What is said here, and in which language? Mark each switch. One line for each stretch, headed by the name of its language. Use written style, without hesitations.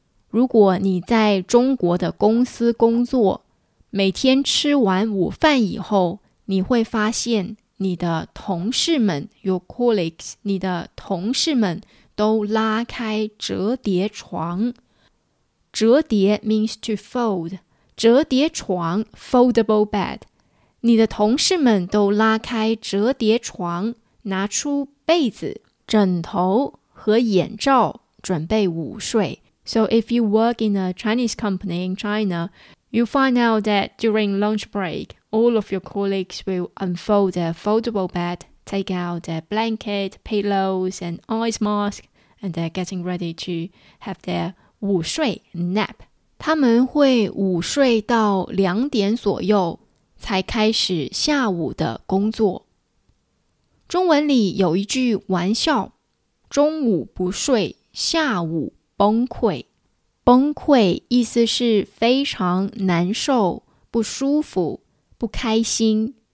Chinese: 如果你在中国的公司工作，每天吃完午饭以后，你会发现你的同事们
English: your colleagues，
Chinese: 你的同事们都拉开折叠床。折叠
English: means to fold，
Chinese: 折叠床
English: foldable bed。
Chinese: 你的同事们都拉开折叠床，拿出被子、枕头和眼罩，准备午睡。
English: So if you work in a Chinese company in China, you find out that during lunch break, all of your colleagues will unfold their foldable bed, take out their blanket, pillows, and eyes mask, and they're getting ready to have their 午睡 nap.
Chinese: 他们会午睡到2点左右才开始下午的工作。中文里有一句玩笑，中午不睡，下午崩溃。崩溃意思是非常难受，不舒服，不开心。